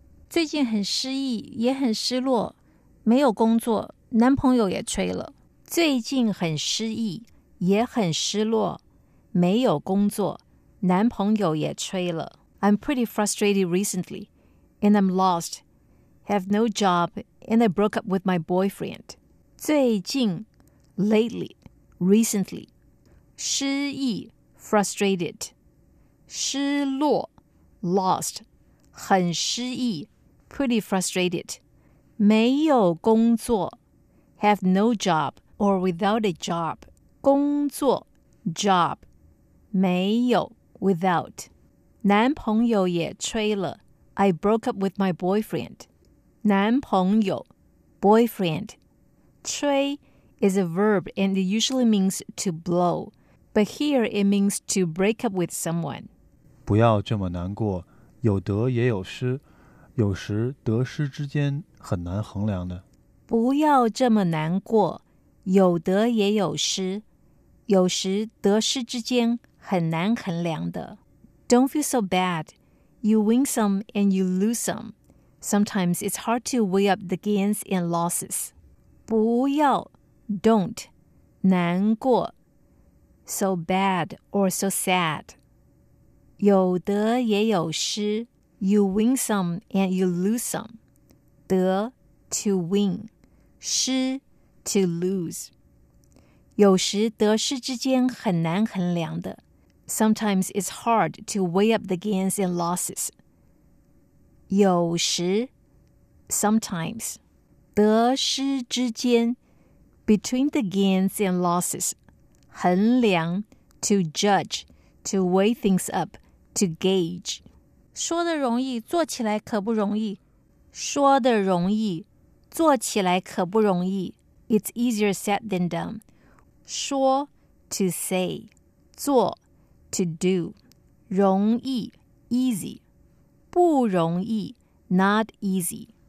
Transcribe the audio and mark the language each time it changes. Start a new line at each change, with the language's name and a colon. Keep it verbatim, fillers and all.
Chinese: 最近很失意，也很失落，没有工作，男朋友也吹了。最近很失意，也很失落，没有工作，男朋友也吹了。
English: I'm pretty frustrated recently, and I'm lost, have no job, and I broke up with my boyfriend.
Chinese: 最近
English: lately, recently.
Chinese: 失意
English: frustrated.
Chinese: 失落
English: lost.
Chinese: 很失意
English: pretty frustrated.
Chinese: 没有工作
English: have no job, or without a job.
Chinese: 工作
English: job.
Chinese: 没有
English: without.
Chinese: 男朋友也吹了
English: I broke up with my boyfriend.
Chinese: 男朋友
English: boyfriend.
Chinese: 吹
English: is a verb and it usually means to blow. But here it means to break up with someone.
Chinese: 不要这么难过，有得也有失，有时得失之间很难衡量的。不要这么难过，有得也有失，有时得失之间很难衡量的。
English: Don't feel so bad. You win some and you lose some. Sometimes it's hard to weigh up the gains and losses.
Chinese: 不要
English: don't
Chinese: 难过
English: so bad or so sad.
Chinese: 有得也有失
English: you win some and you lose some.
Chinese: 得
English: to win
Chinese: 失
English: to lose.
Chinese: 有时得失之间很难衡量的。
English: Sometimes it's hard to weigh up the gains and losses.
Chinese: 有时
English: sometimes
Chinese: 得失之间
English: between the gains and losses
Chinese: 衡量
English: to judge, to weigh things up, to gauge.
Chinese: 说的容易，做起来可不容易。说的容易，做起来可不容易。
English: It's easier said than done.
Chinese: 说
English: to say,
Chinese: 做
English: To do,
Chinese: 容易
English: easy,
Chinese: 不容易
English: not easy.